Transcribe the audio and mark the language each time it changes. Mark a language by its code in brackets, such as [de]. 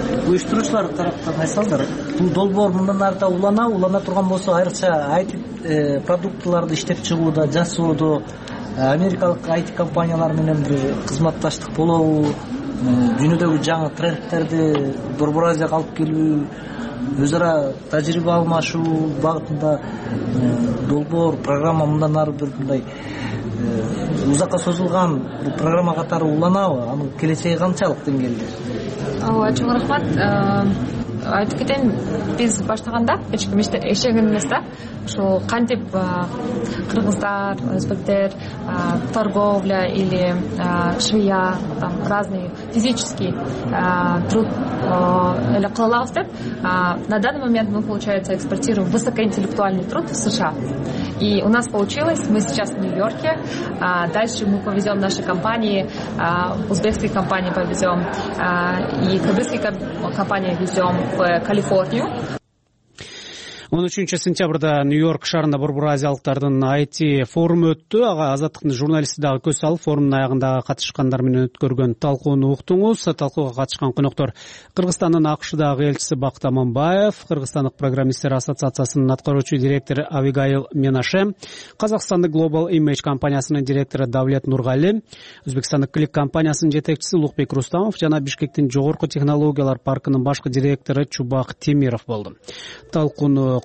[ky] Уюштуруучулар тараптан айтсаңдар, бул долбоор мындан ары да улана турган болсо, айрыкча IT продуктыларды иштеп чыгууда, жасоодо америкалык IT компаниялар менен бир кызматташтык болобу, дүйнөдөгү жаңы трендтерди борбор Азияга алып келүү, өз ара тажрыйба алмашуу багытында долбоор программа мындан ары бир мындай узакка созулган бул программа катары уланабы, анын келечеги канчалык деңгээлде? Ооба, чоң рахмат. Айтып кетейин, биз баштаганда эч ким иштеген эмес да. Ушул кантип кыргыздар, өзбектер, [ru] торговля или швея там разный физический труд [ky] эле кыла алабыз деп, [ru] на данный момент мы, получается, экспортируем высокоинтеллектуальный труд в США. И у нас получилось, мы сейчас в Нью-Йорке, дальше мы повезем наши компании, узбекские компании повезем, и кыргызские компании везем в Калифорнию. [ky] 13 сентябрда Нью-Йорк шаарында борбор азиялыктардын IT форум өттү. Ага Азаттыктын журналисти дагы көз салып, форумдун аягында катышкандар менен өткөргөн талкууну уктуңуз. Талкууга катышкан коноктор Кыргызстандын АКШдагы элчиси Бакыт Аманбаев, Кыргызстандык программисттер ассоциациясынын аткаруучу директору Авигайл Менаше, Казакстандык Global Image компаниясынын директору Давлет Нургали, Өзбекстандык Клик компаниясынын жетекчиси Улукбек Рустамов жана Бишкектин жогорку технологиялар паркынын башкы директору Чубак Темиров болду. Талкууну